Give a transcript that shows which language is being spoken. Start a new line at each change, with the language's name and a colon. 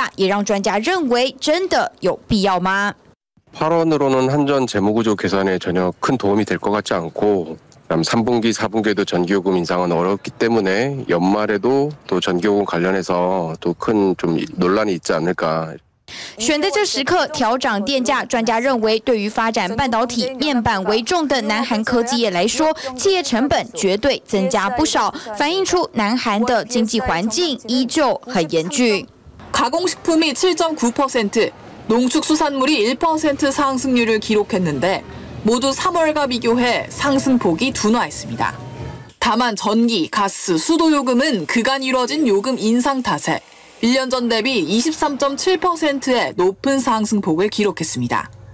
Chinese: 虽然看似涨幅不大，但这已经是南韩今年以来第二次上调民用电价。上一次调涨是在第一季，当时每度上调13.1韩元，相当于台币0.29元。这一季又再涨价，也让专家认为真的有必要吗？
Korean: 8원으로는 한전 재무구조 개선에 전혀 큰 도움이 될 것 같지 않고 3분기, 4분기에도 전기요금 인상은 어렵기 때문에 연말에도 또 전기요금 관련해서 또 큰 좀 논란이 있지 않을까.
Chinese: 选择这时刻调涨电价，专家认为，对于发展半导体、面板为重的南韩科技业来说，企业成本绝对增加不少，反映出南韩的经济环境依旧很严峻。
Korean: 가공식품이 7.9%, 농축수산물이 1% 상승률을 기록했는데 모두 3월과 비교해 상승폭이 둔화했습니다. 다만 전기, 가스, 수도요금은 그간 이뤄진 요금 인상 탓에 1년 전 대비 23.7%의 높은 상승폭을 기록했습니다.